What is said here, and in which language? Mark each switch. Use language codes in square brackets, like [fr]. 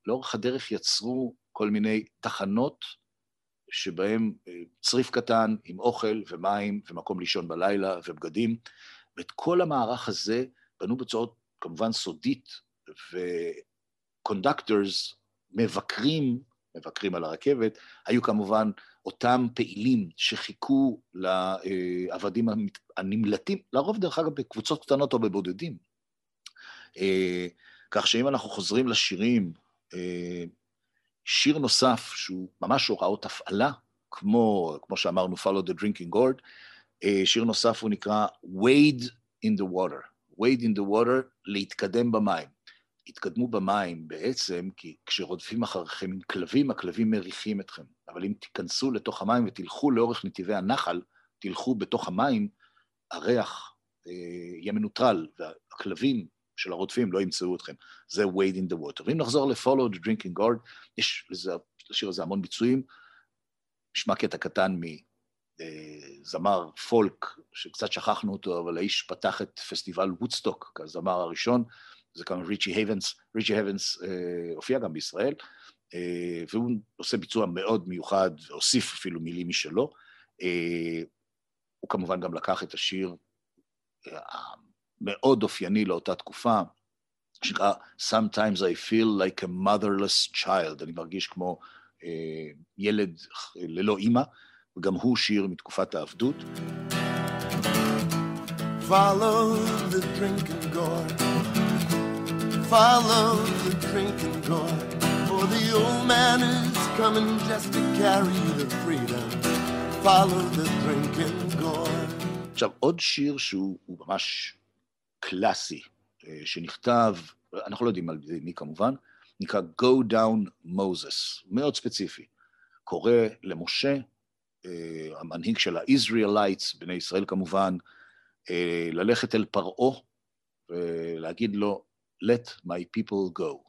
[he] לאורך הדרך יצרו כל מיני תחנות שבהם צריף קטן עם אוכל ומים ומקום לישון בלילה ובגדים, ואת כל המערך הזה בנו בצורה כמובן סודית, וקונדקטורס מבקרים על הרכבת, היו כמובן אותם פעילים שחיכו לעבדים הנמלטים, לרוב דרך אגב בקבוצות קטנות או בבודדים. כך שאם אנחנו חוזרים לשירים, שיר נוסף שהוא ממש הוראות הפעלה, כמו שאמרנו, Follow the Drinking Gourd, שיר נוסף הוא נקרא Wade in the Water. Wade in the Water, להתקדם במים. התקדמו במים בעצם, כי כשרודפים אחריכם עם כלבים, הכלבים מריחים אתכם. אבל אם תיכנסו לתוך המים ותלכו לאורך נתיבי הנחל, תלכו בתוך המים, הריח יהיה מנוטרל, והכלבים של הרודפים לא ימצאו אתכם. זה Wade in the Water. ואם נחזור ל-Follow the Drinking Gourd, יש לשיר הזה המון ביצועים, נשמע קטע קטן מזמר פולק, שקצת שכחנו אותו, אבל האיש פתח את פסטיבל וודסטוק, כזמר הראשון, זה כמובן ריצ'י הייבנס, ריצ'י הייבנס הופיע גם בישראל, והוא עושה ביצוע מאוד מיוחד, והוסיף אפילו מילים משלו. הוא כמובן גם לקח את השיר מאוד אופייני לאותה תקופה, שנקרא, [en] Sometimes I feel like a motherless child, [he] אני מרגיש כמו ילד ללא אימא, וגם הוא שיר מתקופת העבדות. [en] Follow the drinking gourd, follow the drinking gourd, for the old man is coming just to carry the freedom, follow the drinking gourd. [he] עכשיו, עוד שיר שהוא ממש קלאסי, שנכתב, אנחנו לא יודעים על מי כמובן, נקרא Go Down Moses, מאוד ספציפי, קורא למשה, המנהיג של ה-Israelites, בני ישראל כמובן, ללכת אל פרעו, ולהגיד לו, [en] Let my people go.